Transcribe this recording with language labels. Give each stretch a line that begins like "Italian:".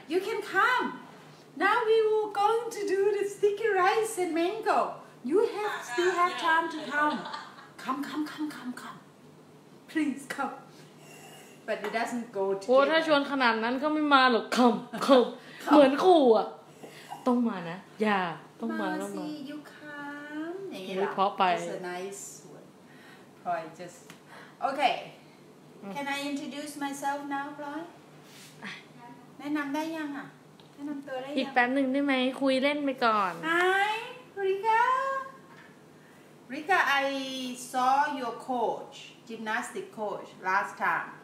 English: you can come now we were going to do the sticky rice and mango you have still have time to come come come come come come please come but it doesn't go together
Thai: โอ้ถ้าชวนขนาดนั้นก็ไม่มาหรอก
English: come come
Thai: เหมือนขู่อ่ะต้องมานะอย่าต้องมาต้องมาซูซี่
English: you come เนี่
Thai: ยเพราะไป
English: it's a nice word probably just okayCan I introduce myself now, Ploy?
Thai: แนะนำได้ยังอ่ะแนะนำตัวได้ยัง อีกแป๊บหนึ่งได้ไหมคุยเล่นไปก่อน
English: Hi, Rika. Rika, I saw your coach, gymnastic coach, last time.